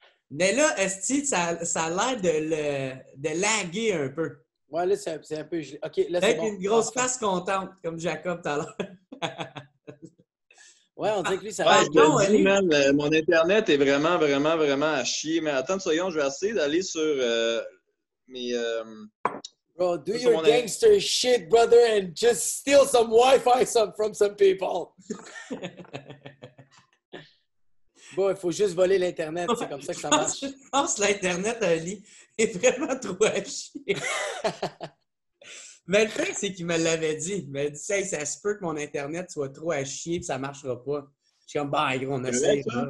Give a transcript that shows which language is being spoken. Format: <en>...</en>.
<fr>Mais là, est-ce que ça a l'air de laguer un peu? Ouais, là, c'est un peu... Okay, là, avec c'est bon. Une grosse face contente, comme Jacob tout à l'heure. Ouais, on dirait que lui, ça va. Ouais, non, dis, man, mon Internet est vraiment, vraiment, vraiment à chier. Mais attends, soyons, je vais essayer d'aller sur mes.</fr> <en>Bro, do your gangster shit, brother, and just steal some Wi-Fi from some people.</en> <fr>Bon, il faut juste voler l'Internet, c'est comme ça que ça marche. Je pense que l'Internet, Ali, est vraiment trop à chier. Mais le fait, c'est qu'il me l'avait dit. Il m'a dit, ça, ça se peut que mon Internet soit trop à chier et ça ne marchera pas. Je suis comme, bah, gros, on essaie.</fr>